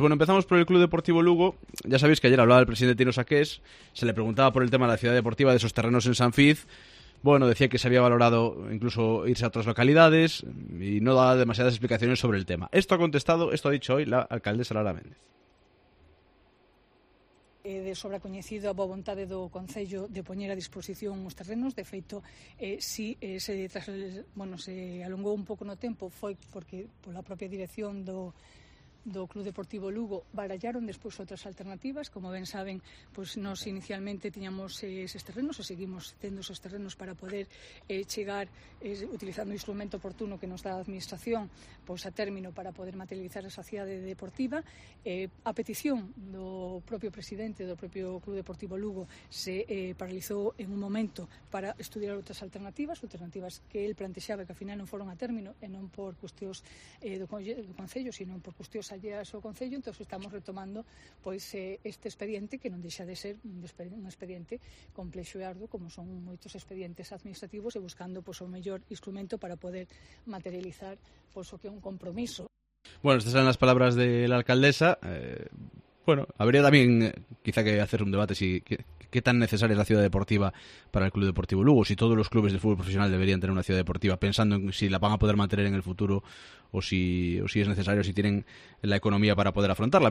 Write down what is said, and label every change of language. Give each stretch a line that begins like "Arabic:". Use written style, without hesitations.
Spanish: Bueno, empezamos por el Club Deportivo Lugo. Ya sabéis que ayer hablaba el presidente Tino Saqués, se le preguntaba por el tema de la ciudad deportiva, de esos terrenos en Sanfiz. Bueno, decía que se había valorado incluso irse a otras localidades y no daba demasiadas explicaciones sobre el tema. Esto ha contestado, esto ha dicho hoy la alcaldesa Lara Méndez.
Galician: De sobra coñecido a boa vontade do Concello de poñer a disposición os terrenos. De feito, se alongou un pouco no tempo, foi porque pola propia dirección do Club Deportivo Lugo barallaron despois outras alternativas. Como ben saben, pues nos inicialmente tiñamos eses terrenos e seguimos tendo esos terrenos para poder chegar utilizando o instrumento oportuno que nos dá a administración pues, a término para poder materializar esa cidade deportiva. A petición do propio presidente do propio Club Deportivo Lugo se paralizou en un momento para estudiar outras alternativas que el plantexaba que ao final non foron a término e non por cuestións do Concello, sino por cuestións allí a seu concello, entón estamos retomando pois este expediente que non deixa de ser un expediente complexo e arduo, como son moitos expedientes administrativos e buscando pois, o mellor instrumento para poder materializar pois, o que é un compromiso.
Spanish: Bueno,
Galician: estas eran as palabras
Spanish: de la alcaldesa. Bueno, habría tamén quizá que hacer un debate si que tan necesaria es la ciudad deportiva para el Club Deportivo Lugo, si todos los clubes de fútbol profesional deberían tener una ciudad deportiva, pensando en si la van a poder mantener en el futuro o si es necesario, si tienen la economía para poder afrontarla.